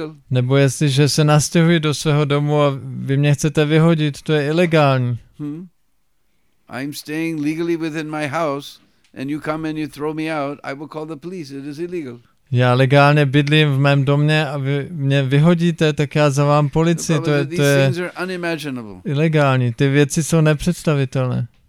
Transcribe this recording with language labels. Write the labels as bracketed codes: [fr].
[cs] Nebo jestli, že se nastěhuji do svého domu a vy mě chcete vyhodit, to je ilegální. [en] I'm staying legally within my house and you come and you throw me out, I will call the police, it is illegal. [cs] Já legálně bydlím v mém domě a vy mě vyhodíte, tak já zavám policii, to je ilegální, ty věci jsou nepředstavitelné.